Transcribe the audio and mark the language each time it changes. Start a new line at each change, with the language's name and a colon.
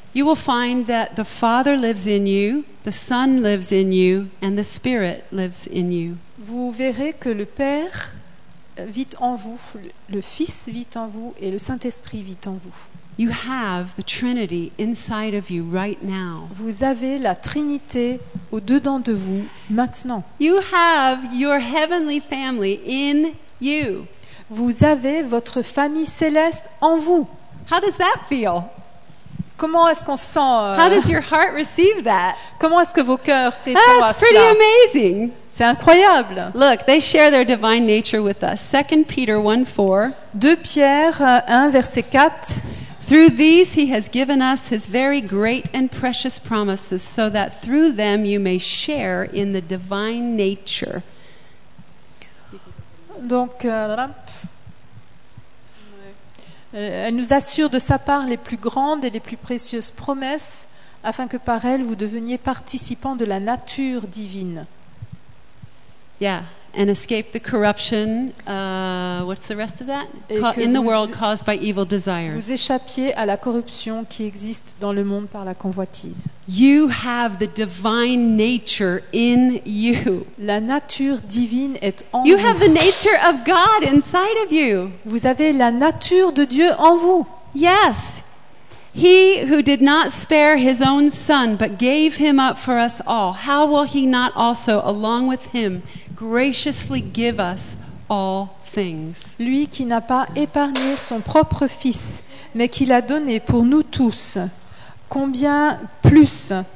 English: You will find that the Father lives in you, the Son lives in you, and the Spirit lives in you.
French: Vous verrez que le Père vit en vous, le Fils vit en vous et le Saint-Esprit vit en vous.
English: You have the Trinity inside of you right now.
French: Vous avez la Trinité au dedans de vous maintenant.
English: You have your heavenly family in you.
French: Vous avez votre famille céleste en vous.
English: How does that feel?
French: Comment est-ce qu'on sent?
English: How does your heart receive that?
French: Comment est-ce que vos cœurs répondent à cela?
English: That's pretty amazing.
French: C'est incroyable.
English: Look, they share their divine nature with us. 2 Peter 1:4.
French: 2 Pierre 1 verset 4.
English: Through these he has given us his very great and precious promises so that through them you may share in the divine nature.
French: Donc, elle nous assure de sa part les plus grandes et les plus précieuses promesses, afin que par elles vous deveniez participants de la nature divine.
English: Yeah, and escape the corruption. What's the rest of that? In the world caused by evil desires.
French: Vous échappiez à la corruption qui existe dans le monde par la convoitise.
English: You have the divine nature in you.
French: La nature divine est en vous.
English: You have the nature of God inside of you.
French: Vous avez la nature de Dieu en vous.
English: Yes. He who did not spare his own son, but gave him up for us all, how will he not also, along with him, graciously give us all things?
French: Lui qui n'a pas épargné son propre fils, mais qui l'a donné pour nous tous, combien plus